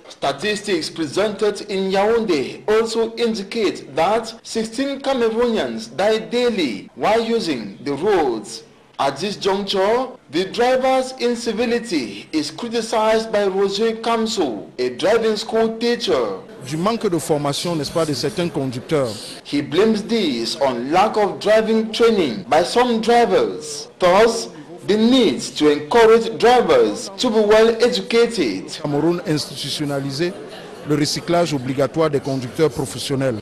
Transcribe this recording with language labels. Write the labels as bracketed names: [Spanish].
[English] Statistics presented in Yaoundé also indicate that 16 Cameroonians die daily while using the roads. At this juncture, the driver's incivility is criticized by Roger Kamso, a driving school teacher. [French] Du manque de formation, n'est-ce pas, de certains conducteurs. [English] He blames this on lack of driving training by some drivers. Thus, the need to encourage drivers to be well educated. [French] Cameroun institutionnalisé le recyclage obligatoire des conducteurs professionnels.